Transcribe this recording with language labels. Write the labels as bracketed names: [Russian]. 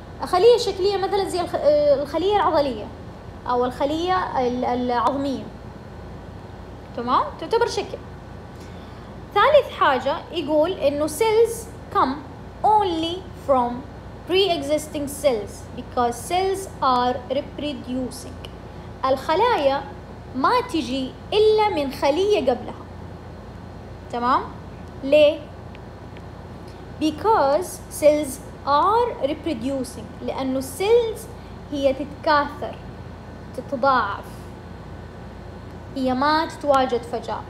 [Arabic] خلية شكلية مثلا زي الخلية العضلية أو الخلية العظمية. تمام؟ تعتبر شكل. ثالث حاجة يقول إنه [English] cells come only from pre-existing cells because cells are reproducing. [Arabic] الخلايا ما تجي إلا من خلية قبلها. تمام؟ ليه؟ [English] because cells are reproducing، [Arabic] لأنه cells هي تتكاثر تتضاعف، هي ما تتواجد فجأة.